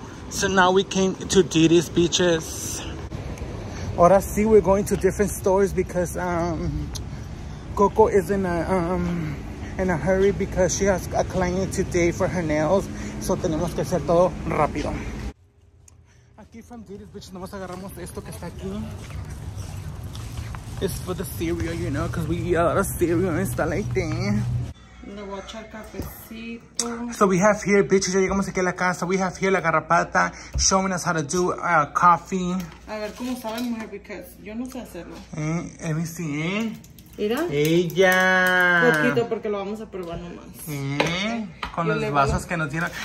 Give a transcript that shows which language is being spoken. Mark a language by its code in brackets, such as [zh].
[en] So now we came to Didi's beaches. [es] Ahora sí, [en] we're going to different stores because Coco is in a hurry because she has a client today for her nails. [es] So tenemos que hacer todo rápido. Aquí [en] from Didi's, bitches, [es] nomás agarramos esto que está aquí. [en] It's for the cereal, you know, because we eat a lot of cereal and stuff like that. So we have here, bitches, [es] ya llegamos aquí a la casa. [en] We have here la garrapata showing us how to do coffee. [es] A ver, ¿cómo saben, mujer? Because yo no sé hacerlo. [en] Let me see, [es] Mira. Ella. Poquito, porque lo vamos a probar nomás. Con los vasos que nos dieron.